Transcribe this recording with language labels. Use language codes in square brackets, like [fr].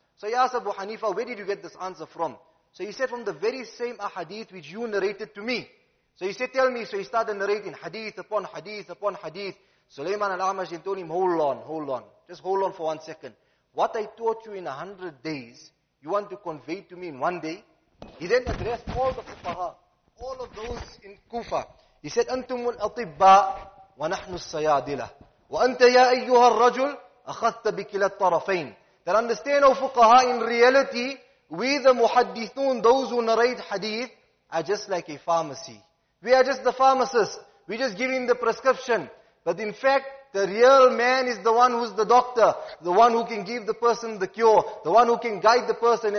[en] So he asked Abu Hanifa, where did you get this answer from? So he said, from the very same ahadith which you narrated to me. So he said, tell me. So he started narrating hadith upon hadith upon hadith. Sulaiman al-Ahmashin told him, hold on. Just hold on for 1 second. What I taught you in 100 days, you want to convey to me in 1 day? He then addressed all the Fuqaha, all of those in Kufa. He said, [ar] أَنْتُمُ الْأَطِبَّاءُ وَنَحْنُ السَّيَادِلَةُ وَأَنْتَ يَا أَيُّهَا الرَّجُلُ أَخَذْتَ بِكِلَ الطَّرَفَيْنِ. [en] That understand, O Fuqaha, in reality, we the Muhaddithun, those who narrate hadith, are just like a pharmacy. We are just the pharmacist. We just give him the prescription. But in fact, the real man is the one who's the doctor, the one who can give the person the cure, the one who can guide the person.